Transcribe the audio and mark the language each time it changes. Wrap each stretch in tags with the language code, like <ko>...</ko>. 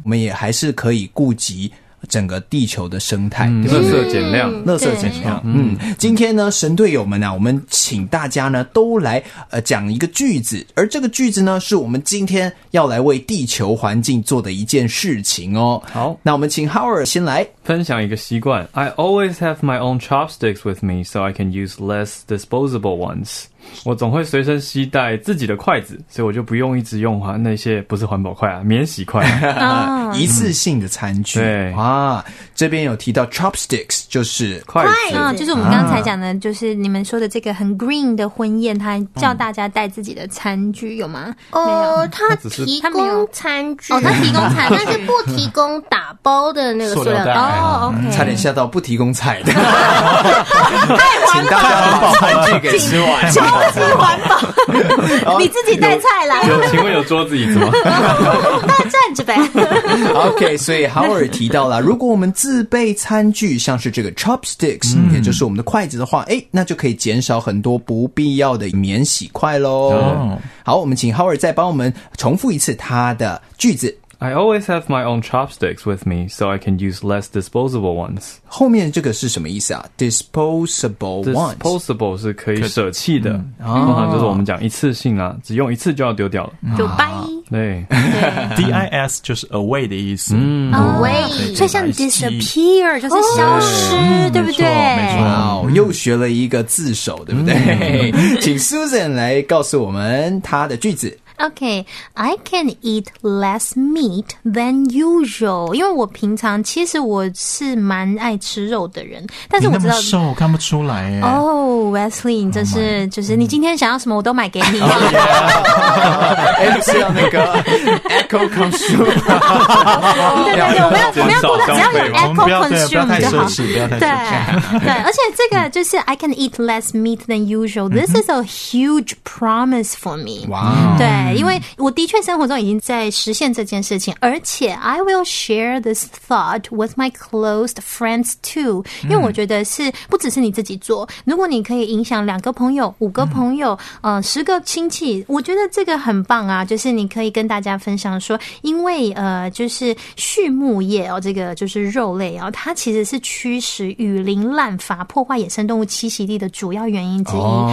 <zh>我们也还是可以顾及整个地球的生态、嗯、垃圾减量垃圾减量、嗯、今天呢神队友们啊，我们请大家呢都来讲一个句子，而这个句子呢是我们今天要来为地球环境做的一件事情哦。好，那我们请 Howard 先来分享一个习惯。</zh> <en>I always have my own chopsticks with me so I can use less disposable ones。</en> <zh>我总会随身携带自己的筷子，所以我就不用一直用那些不是环保筷啊，免洗筷、啊、一次性的餐具、嗯、对啊，这边有提到 chopsticks 就是筷子、啊、就是我们刚才讲的、啊、就是你们说的这个很 green 的婚宴，他叫大家带自己的餐具有吗、嗯、没有，他提供餐具哦，他提供餐但是不提供打包的那个塑料袋、哦 okay、差点吓到，不提供菜的太环保了，请大家把餐具给吃完超级环保，你自己带菜来、哦、有请问有桌子椅子吗？那站着呗。 OK， 所以 Howard 提到了，如果我们自备餐具像是这个 chopsticks、嗯、也就是我们的筷子的话，诶，那就可以减少很多不必要的免洗筷咯、哦、好，我们请 Howard 再帮我们重复一次他的句子。</zh> <en>I always have my own chopsticks with me so I can use less disposable ones.</en> <zh>后面这个是什么意思啊？</zh> <en>Disposable ones.</en> <zh>Disposable 是可以舍弃的、嗯、通常就是我们讲一次性啊、哦、只用一次就要丢掉了，就掰、啊、对， D-I-S 就是 away 的意思、嗯、 away，所以像 disappear 就是消失、哦、对不对？没错没错、哦、又学了一个字首对不对、嗯、请 Susan 来告诉我们她的句子。</zh> <en>Okay, I can eat less meat than usual.</en> <zh>因为我平常其实我是蛮爱吃肉的人，但是我知道你那么瘦，看不出来耶。 Oh, Wesley, 你这是、oh、my, 就是你今天想要什么，我都买给你。</zh> <en>Oh, yeah.</en> <zh>哎，不是要那个 Echo Consume 对对对，我们要顾得只要有 Echo Consume 就好。不要太奢侈，不要太奢侈。对，而且这个就是</zh> <en>I can eat less meat than usual. This is a huge promise for me. 哇、wow. ，</en> <zh>对。因为我的确生活中已经在实现这件事情，而且</zh> <en>I will share this thought with my close friends too，</en> <zh>因为我觉得是不只是你自己做，如果你可以影响两个朋友五个朋友、十个亲戚，我觉得这个很棒啊，就是你可以跟大家分享说，因为就是畜牧业、哦、这个就是肉类、哦、它其实是驱使雨林滥伐破坏野生动物栖息地的主要原因之一、</zh>